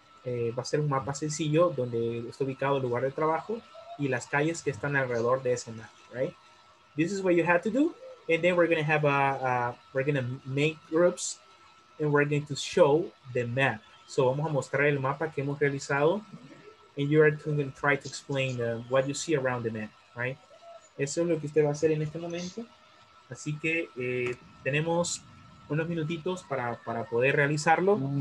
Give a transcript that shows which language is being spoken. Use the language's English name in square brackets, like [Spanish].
[Spanish] Va a ser un mapa sencillo donde está ubicado el lugar de trabajo y las calles que están alrededor de ese mapa, [English] right? This is what you have to do. And then we're going to have a, we're going to make groups and we're going to show the map. So [Spanish] vamos a mostrar el mapa que hemos realizado [English] and you are going to try to explain what you see around the map, right? [Spanish] Eso es lo que usted va a hacer en este momento. Así que tenemos unos minutitos para poder realizarlo.